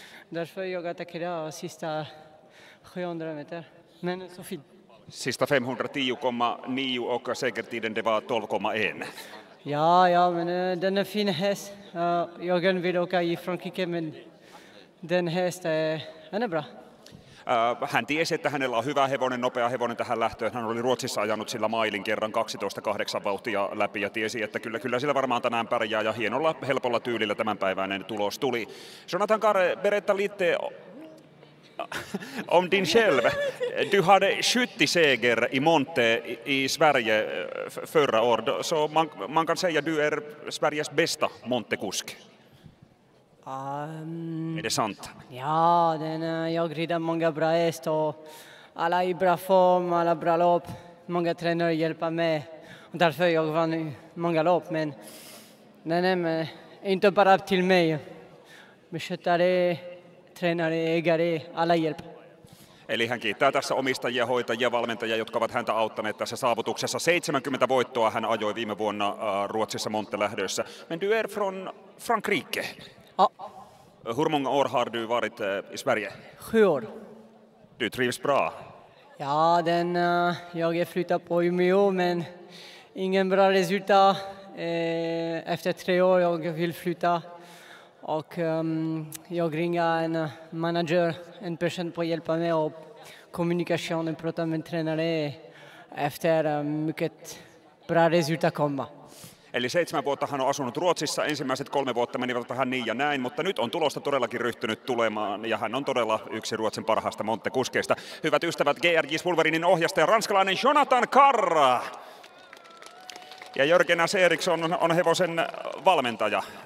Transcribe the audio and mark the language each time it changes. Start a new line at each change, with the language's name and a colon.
Swedish: Därför jag attackerade sista 700 meter. Men så fint. Sista 510,9 och segertiden det var 12,1. Ja, men den är fin häst. Jag vill åka i Frankrike, men den häst är bra.
Finnish: Hän tiesi, että hänellä on hyvä hevonen, nopea hevonen tähän lähtöön. Hän oli Ruotsissa ajanut sillä mailin kerran 12,8 vauhtia läpi ja tiesi, että kyllä sillä varmaan tänään pärjää ja hienolla, helpolla tyylillä tämänpäiväinen tulos tuli.
Swedish: Jonathan Karre, berätta lite om din själv. Du hade 70 seger i Monte i Sverige förra år. Så man kan säga att du är Sveriges bästa Monte-kusk. Är det sant? Ja, jag rider många bra häst och alla i bra form, alla bra lopp. Många tränare hjälper mig och därför jag vann många lopp. Men inte bara till mig. Beskötare, tränare, ägare, alla hjälper.
Finnish: Eli hän kiittää tässä omistajia, hoitajia, valmentajia, jotka ovat häntä auttaneet tässä saavutuksessa. 70 voittoa hän ajoi viime vuonna Ruotsissa Monte-lähdössä.
Swedish: Men du är från Frankrike. Hur många år har du varit i Sverige? 7 år. Du trivs bra? Ja, jag är flyttat på Umeå, men ingen bra resultat. Efter 3 år jag vill flytta. Och jag ringer en manager, en person på att hjälpa mig och kommunikation och prata med tränare efter mycket bra resultat komma.
Finnish: Eli 7 vuotta hän on asunut Ruotsissa, ensimmäiset 3 vuotta menivät vähän niin ja näin, mutta nyt on tulosta todellakin ryhtynyt tulemaan ja hän on todella yksi Ruotsin parhaasta Monte-kuskeista. Hyvät ystävät, GRJ Wolverinen ohjastaja, ranskalainen Jonathan Karr ja Jörgen S. Eriksson on hevosen valmentaja.